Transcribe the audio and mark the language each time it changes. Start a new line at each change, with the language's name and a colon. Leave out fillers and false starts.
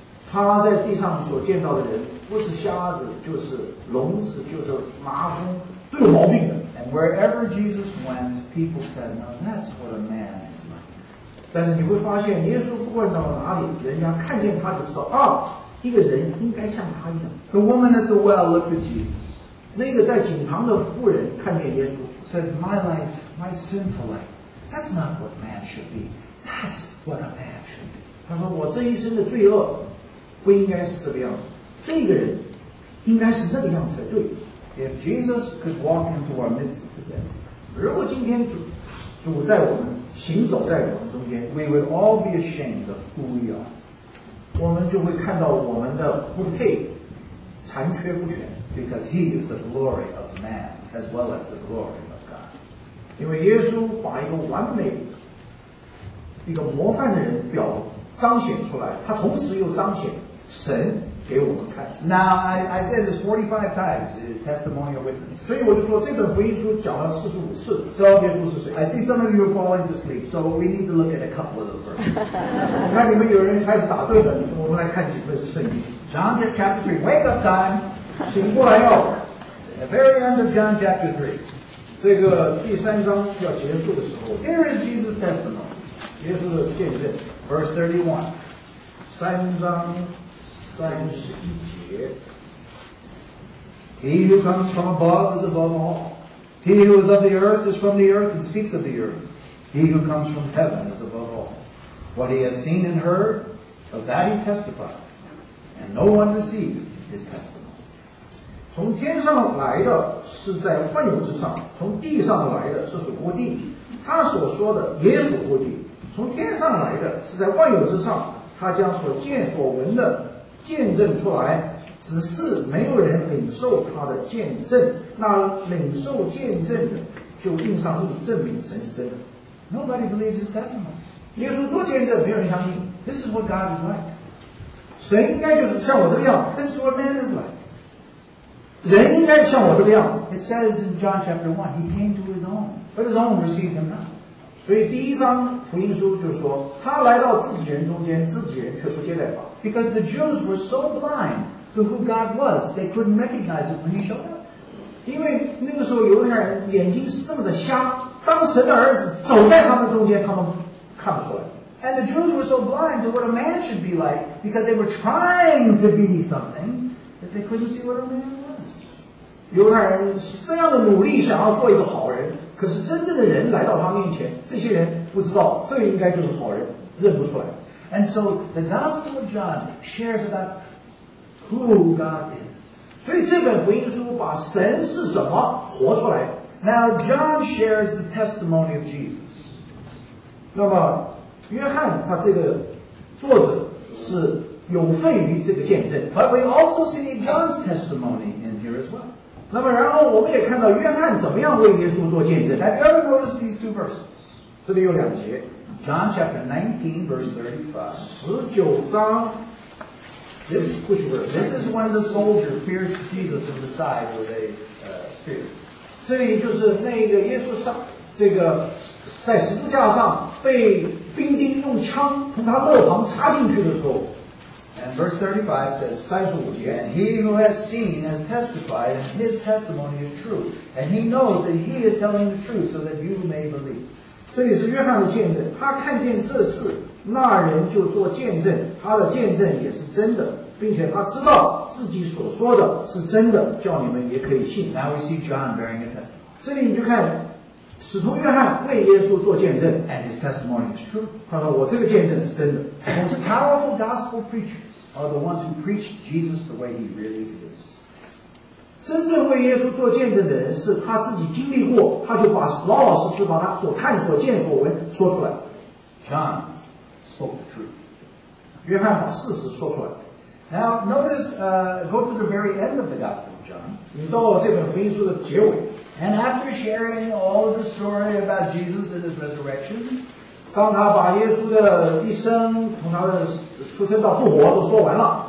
Chinese: 他在地上所见到的人不是瞎子就是聋子就是麻风都有毛病的。
English: And wherever Jesus went, people said, now that's what a man is like.
Chinese: 但是你会发现耶稣不管到哪里人家看见他就知道啊一个人应该像他一样。
English: The woman at the well looked at Jesus.
Chinese: 那个在井旁的妇人看见耶稣
English: said, my life, my sinful life, that's not what man should be. That's what a man should be.
Chinese: 他说我这一生的罪恶不应该是这个样子这个人应该是那个样子才对
English: If Jesus could walk into our midst today
Chinese: 如果今天 主在我们行走在我们中间
English: We would all be ashamed of who we are
Chinese: 我们就会看到我们的不配残缺不全
English: Because he is the glory of man as well as the glory of God
Chinese: 因为耶稣把一个完美一个模范的人表彰显出来，他同时又彰显神给我们看。
English: Now I said this 45 times, testimonial witness.
Chinese: 所以我就说这本福音书讲了45次。
English: So
Chinese: 耶稣是谁
English: ？I see some of you are falling to sleep, so we need to look at a couple of those verses.
Chinese: 看你们有人开始打对了，我们来看几份圣经。
English: John chapter 3, wake up time,
Chinese: 醒过来哦。
English: At the very end of John chapter 3,
Chinese: 这个第三章要结束的时候
English: ，Here is Jesus' testimony.
Chinese: 耶稣的见证。
English: Verse 31,
Chinese: 三章三十一节
English: He who comes from above is above all. He who is of the earth is from the earth and speaks of the earth. He who comes from heaven is above all. What he has seen and heard, of that he testifies. And no one receives his testimony.
Chinese: 从天上来的是在万有之上，从地上来的是属乎地。他所说的也属乎地。从天上来的是在万有之上，他将所见所闻的见证出来，只是没有人领受他的见证。那领受见证的，就印上印，证明神是真的。
English: Nobody believes his testimony.
Chinese: 耶稣做见证，没有人相信。
English: This is what God is like.
Chinese: 神应该就是像我这个样。
English: This is what man is like.
Chinese: 人应该像我这个样。
English: It says in John chapter 1, he came to his own, but his own received him not.
Chinese: 所以第一章福音书就说，他来到自己人中间，自己人却不接待他。
English: Because the Jews were so blind to who God was, they couldn't recognize him when he showed up.
Chinese: 因为那个时候犹太人眼睛是这么的瞎，当神的儿子走在他们中间，他们看不出来。
English: And the Jews were so blind to what a man should be like because they were trying to be something that they couldn't see what a man was.
Chinese: 犹太人是这样的努力，想要做一个好人。可是真正的人来到他面前，这些人不知道，这应该就是好人，认不出来。
English: And so the Gospel of John shares about who God is.
Chinese: 所以这本福音书把神是什么活出来。
English: Now John shares the testimony of Jesus.
Chinese: 那么约翰他这个作者是有份于这个见证。
English: But we also see John's testimony in here as well.
Chinese: 那么然后我们也看到约翰怎么样为耶稣做见证。
English: Have you ever noticed these two verses?
Chinese: 这里有两节。
English: John chapter 19 verse 35.
Chinese: 19章。
English: This is push verse. This is when the soldier pierced Jesus in the side with a spear.
Chinese: 这里就是那个耶稣这个在十字架上被兵丁用枪从他肋旁插进去的时候。
English: And verse 35 says,
Chinese: 35节,
English: and he who has seen has testified, and his testimony is true, and he knows that he is telling the truth so that you may believe.
Chinese: 这里是约翰的见证，他看见这事，那人就做见证，他的见证也是真的，并且他知道自己所说的是真的，叫你们也可以信。
English: Now we see John bearing a testimony.
Chinese: 这里你就看使徒约翰为耶稣做见证
English: ，and his testimony is true.
Chinese: 他说我这个见证是真的。
English: Most powerful gospel preachers are the ones who preach Jesus the way he really is.
Chinese: 真正为耶稣做见证的人是他自己经历过，他就把老老实实把他所看所见所闻说出来。
English: John spoke the truth.
Chinese: 约翰把事实说出来。
English: Now notice, go to the very end of the gospel of John.
Chinese: 你到这本福音书的结尾。
English: And after sharing all of the story about Jesus and his resurrection,
Chinese: 当他把耶稣的一生从他的出生到复活都说完了